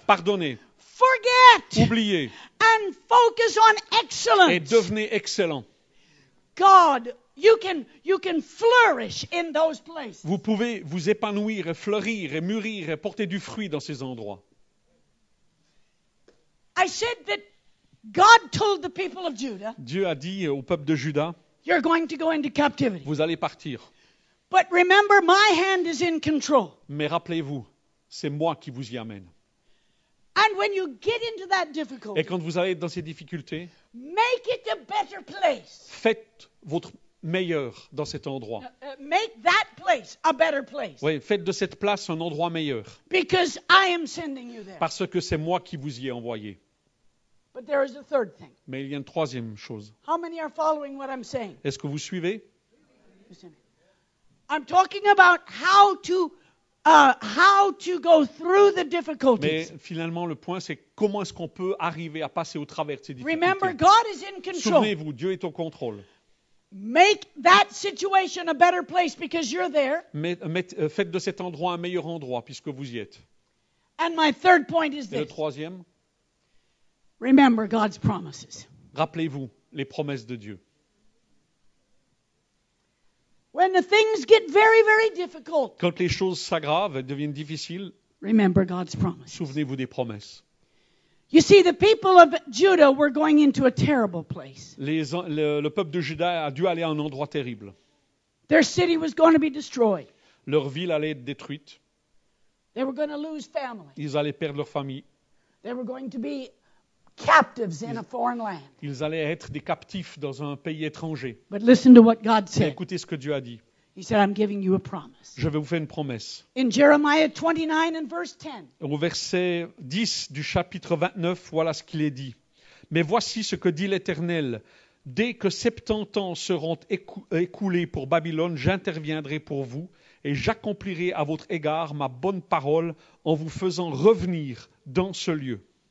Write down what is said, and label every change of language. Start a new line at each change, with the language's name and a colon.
French: Pardonnez.
English: Forget.
French: Oubliez.
English: And focus on excellence.
French: Et devenez excellent.
English: God You can flourish in those places.
French: Vous pouvez vous épanouir et fleurir et mûrir et porter du fruit dans ces endroits.
English: I said that God told the people of Judah,
French: Dieu a dit au peuple de Juda,
English: you're going to go into captivity.
French: Vous allez partir.
English: But remember, my hand is in control.
French: Mais rappelez-vous, c'est moi qui vous y amène.
English: And when you get into that difficulty,
French: et quand vous allez dans ces difficultés,
English: make it a better place.
French: Faites votre meilleur dans cet endroit.
English: Make that place a better place.
French: Oui, faites de cette place un endroit meilleur.
English: Because I am sending you there.
French: Parce que c'est moi qui vous y ai envoyé.
English: But there is a third thing.
French: Mais il y a une troisième chose.
English: How many are following what I'm saying?
French: Est-ce que vous suivez?
English: I'm talking about how to go through the difficulties.
French: Mais finalement, le point, c'est comment est-ce qu'on peut arriver à passer au travers de ces difficultés.
English: Remember, God is in control.
French: Souvenez-vous, Dieu est au contrôle.
English: Make that situation a better place because you're there.
French: Faites de cet endroit un meilleur endroit puisque vous y êtes.
English: And my third point is this.
French: Et le troisième.
English: Remember God's promises.
French: Rappelez-vous les promesses de Dieu.
English: When the things get very, very difficult.
French: Quand les choses s'aggravent et deviennent difficiles.
English: Remember God's promises.
French: Souvenez-vous des promesses.
English: You see, the people of Judah were going into a terrible place.
French: Le peuple de Juda a dû aller à un endroit terrible.
English: Their city was going to be destroyed.
French: Leur ville allait être détruite.
English: They were going to lose family.
French: Ils allaient perdre leur famille.
English: They were going to be captives in a foreign land.
French: Ils allaient être des captifs dans un pays étranger.
English: But listen to what God said.
French: Écoutez ce que Dieu a dit.
English: He said, I'm giving you a promise.
French: Je vais vous faire une promesse.
English: In Jeremiah 29 and verse 10.
French: Au verset 10 du chapitre 29, voilà ce qu'il est dit. Mais voici ce que dit l'Éternel. Dès que 70 ans seront écoulés pour Babylone, j'interviendrai pour vous et j'accomplirai à votre égard ma bonne parole en vous faisant revenir dans ce lieu.